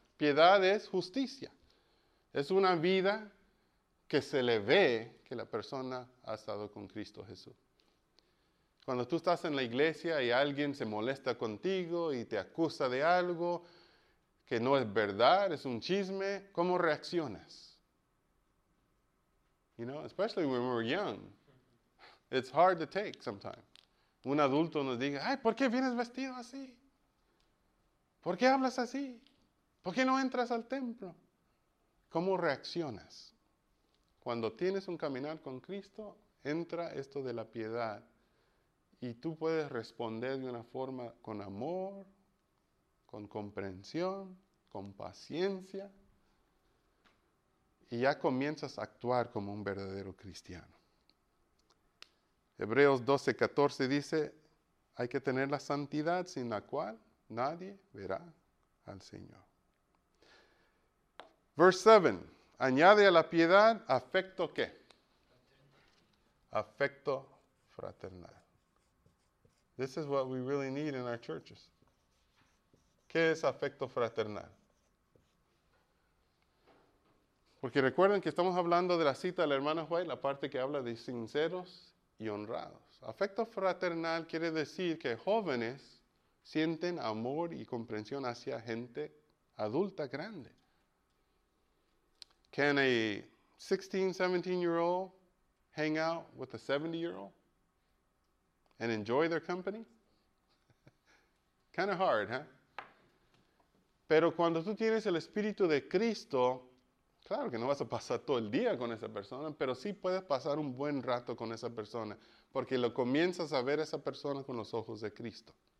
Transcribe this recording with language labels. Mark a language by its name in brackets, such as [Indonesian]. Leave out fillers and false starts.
[Spanish] Piedad es justicia. Es una vida que se le ve que la persona ha estado con Cristo Jesús. Cuando tú estás en la iglesia y alguien se molesta contigo y te acusa de algo que no es verdad, es un chisme, ¿cómo reaccionas? [English] You know, especially when we're young. It's hard to take sometimes. [Spanish] Un adulto nos diga, ay, ¿por qué vienes vestido así? ¿Por qué hablas así? ¿Por qué no entras al templo? ¿Cómo reaccionas? Cuando tienes un caminar con Cristo, entra esto de la piedad. Y tú puedes responder de una forma con amor, con comprensión, con paciencia. Y ya comienzas a actuar como un verdadero cristiano. Hebreos 12, 14 dice, hay que tener la santidad sin la cual nadie verá al Señor. [English] Verse 7, [Spanish] añade a la piedad, ¿afecto qué? Afecto fraternal. [English] This is what we really need in our churches. [Spanish] ¿Qué es afecto fraternal? Porque recuerden que estamos hablando de la cita de la hermana White, la parte que habla de sinceros y honrados. Afecto fraternal quiere decir que jóvenes sienten amor y comprensión hacia gente adulta grande. [English] Can a 16, 17-year-old hang out with a 70-year-old and enjoy their company? Kind of hard, huh? [Spanish] Pero cuando tú tienes el Espíritu de Cristo, claro que no vas a pasar todo el día con esa persona, pero sí puedes pasar un buen rato con esa persona, porque lo comienzas a ver a esa persona con los ojos de Cristo.